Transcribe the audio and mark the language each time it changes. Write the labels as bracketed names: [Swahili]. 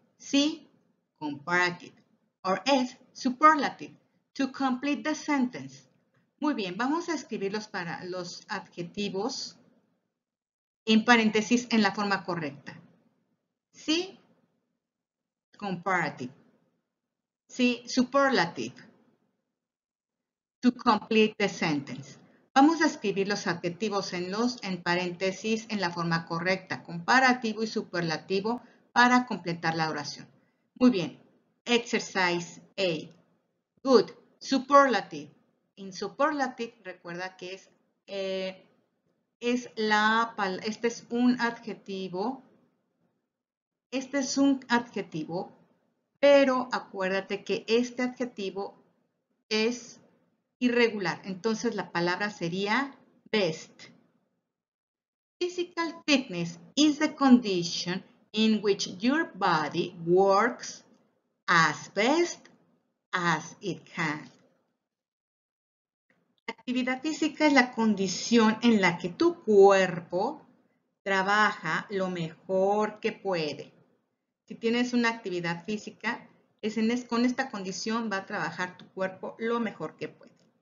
[English] See, comparative, or S, superlative, to complete the sentence. [Spanish] Muy bien, vamos a escribir los adjetivos en paréntesis en la forma correcta. Sí, comparative. Sí, superlative. [English] To complete the sentence. [Spanish] Vamos a escribir los adjetivos en paréntesis en la forma correcta, comparativo y superlativo, para completar la oración. Muy bien, [English] exercise A. Good, superlative. In superlative, [Spanish] recuerda que este es un adjetivo, pero acuérdate que este adjetivo es irregular. Entonces, la palabra sería best. [English] Physical fitness is the condition in which your body works as best as it can. [Spanish] Actividad física es la condición en la que tu cuerpo trabaja lo mejor que puede. Si tienes una actividad física, con esta condición va a trabajar tu cuerpo lo mejor que puede.